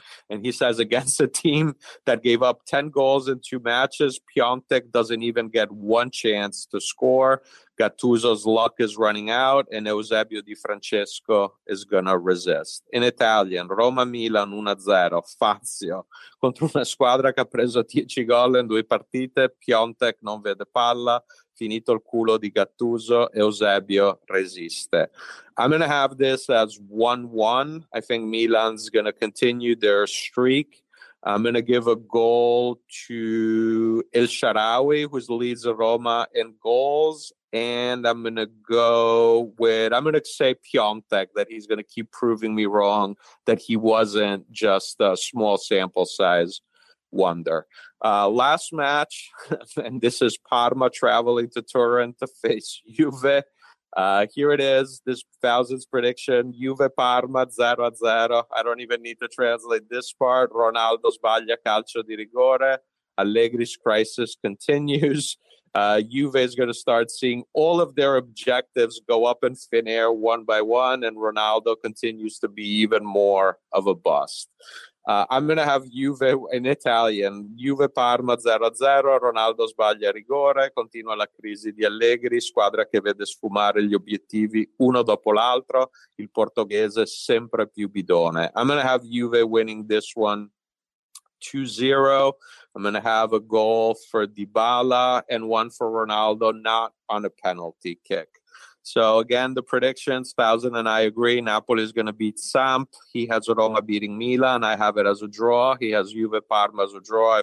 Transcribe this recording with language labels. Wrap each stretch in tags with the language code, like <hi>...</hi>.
<en>And he says, against a team that gave up 10 goals in two matches, Piontek doesn't even get one chance to score. Gattuso's luck is running out, and Eusebio Di Francesco is going to resist. In Italian, Roma-Milan 1-0, Fazio.</en> <it>Contro una squadra che ha preso 10 gol in due partite, Piontek non vede palla. Finito il culo di Gattuso, Eusebio resiste.</it> <en>I'm going to have this as 1-1. I think Milan's going to continue their streak. I'm going to give a goal to El Shaarawy, who leads Roma in goals. And I'm going to go with, I'm going to say Piontek, that he's going to keep proving me wrong, that he wasn't just a small sample size wonder. Last match, and this is Parma traveling to Turin to face Juve. Here it is, this Thousands prediction, Juve-Parma 0-0. I don't even need to translate this part.</en> <it>Ronaldo sbaglia calcio di rigore.</it> <en>Allegri's crisis continues. Juve is going to start seeing all of their objectives go up in thin air one by one, and Ronaldo continues to be even more of a bust. I'm going to have Juve in Italian,</en> <it>Juve-Parma 0-0, Ronaldo sbaglia rigore, continua la crisi di Allegri, squadra che vede sfumare gli obiettivi uno dopo l'altro, il portoghese sempre più bidone.</it> <en>I'm going to have Juve winning this one 2-0. I'm going to have a goal for Dybala and one for Ronaldo, not on a penalty kick. So again, the predictions, Thousand and I agree. Napoli is going to beat Samp. He has Roma beating Milan. I have it as a draw. He has Juve Parma as a draw.</en>